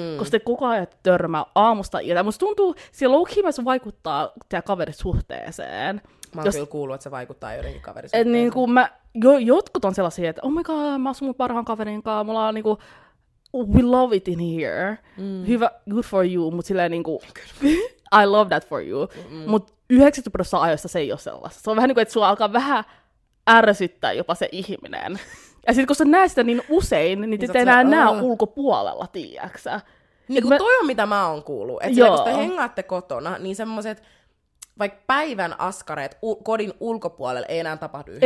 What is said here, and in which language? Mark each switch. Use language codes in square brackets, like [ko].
[fi] Koska koko ajan törmää aamusta iltaan. Musta tuntuu, siellä loukkiimassa vaikuttaa teidän kaverisuhteeseen. Mä oon kyllä kuullut, että se vaikuttaa joidenkin kaverisuhteeseen. Et niinku mä, jotkut on sellaisia, että [en] oh my god, [fi] mä asun mun parhaan kaverin kanssa, mulla on niinku, [en] we love it in here. [fi] Hyvä, [en] good for you, [fi] mut silleen niinku, [en] I love that for you. [fi] Mut 90% ajoista se ei ole sellaista. Se on vähän niinku, että sua alkaa vähän ärsyttää jopa se ihminen. Ja sitten kun sä näet sitä niin usein, niin te enää näe ulkopuolella, tiiäksä. Niin kun mä, toi on mitä mä oon kuullut. Että kun te hengaatte kotona, niin semmoset vaikka päivän askareet kodin ulkopuolelle ei enää tapahdu yhdessä.